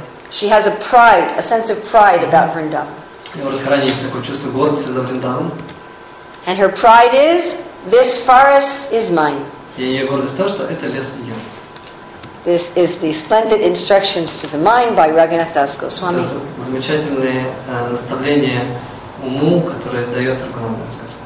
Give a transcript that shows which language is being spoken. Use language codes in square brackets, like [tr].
[en] she has a pride, a sense of pride about Vrindavan. [ru] И у Радхарани есть такое чувство гордости за Вриндаван. [en] And her pride is, this forest is mine. [ru] И ее гордость то, что это лес ее. [en] This is the splendid instructions to the mind by Raghunath Das Goswami. [ru] Это замечательное наставление уму, которое дает Рагхунат Дас Госвами.